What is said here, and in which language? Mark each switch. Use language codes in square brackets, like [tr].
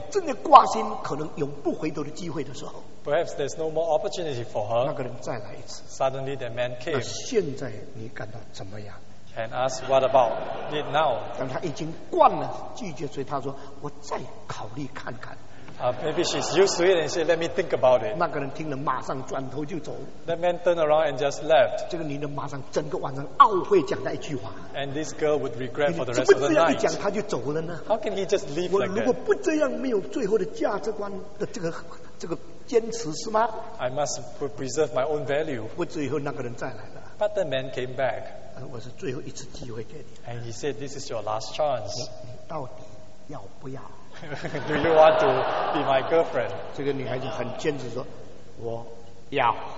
[zh] 就真的挂心，可能永不回头的机会的时候。 [en] Perhaps there's no more opportunity for her. [zh] 那个人再来一次。 [en] Suddenly, that man came. [zh] 那现在你感到怎么样？ [en] And ask what about it now? [zh] 但他已经惯了拒绝，所以他说：“我再考虑看看。” [en] Maybe she's used to it and said, let me think about it. [zh] 那个人听了马上转头就走。 [en] That man turned around and just left. [zh] 这个女人马上整个晚上懊悔讲那一句话。 [en] And this girl would regret for the rest of the night. [zh] 怎么这样一讲他就走了呢？ [en] How can he just leave like that? [zh] 我如果不这样没有最后的价值观的这个坚持是吗？ [en] I must preserve my own value. [zh] 我最后那个人再来了。 [en] But the man came back. [zh] 我是最后一次机会给你。 [en] And he said, this is your last chance. [zh] 你到底要不要？ [en] Do you want to be my girlfriend? [zh] 这个女孩子很坚持说，我要。